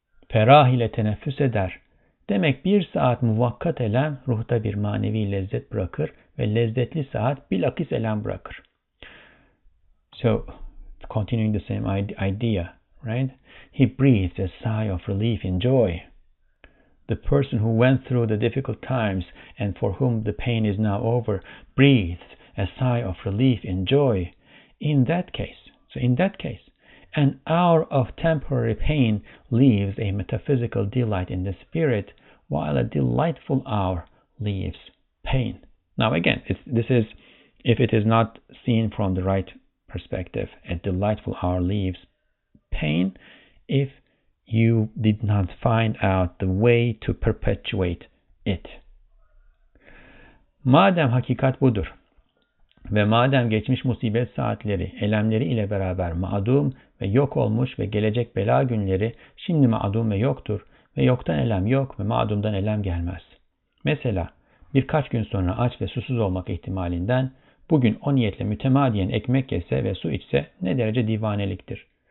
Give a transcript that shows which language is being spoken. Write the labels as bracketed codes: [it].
[tr] Ferah ile teneffüs eder. Demek bir saat muvakkat elem ruhta bir manevi lezzet bırakır ve lezzetli saat bilakis elem bırakır. [en] So, continuing the same idea, right? He breathes a sigh of relief and joy. The person who went through the difficult times and for whom the pain is now over breathes a sigh of relief and joy. In that case, an hour of temporary pain leaves a metaphysical delight in the spirit, while a delightful hour leaves pain. Now again, this is, if it is not seen from the right perspective, a delightful hour leaves pain. If you did not find out the way to perpetuate it. [tr] Madem hakikat budur ve madem geçmiş musibet saatleri elemleri ile beraber madum ve yok olmuş ve gelecek bela günleri şimdi madum ve yoktur ve yoktan elem yok ve madumdan elem gelmez. Mesela birkaç gün sonra aç ve susuz olmak ihtimalinden bugün o niyetle mütemadiyen ekmek yese ve su içse ne derece divaneliktir.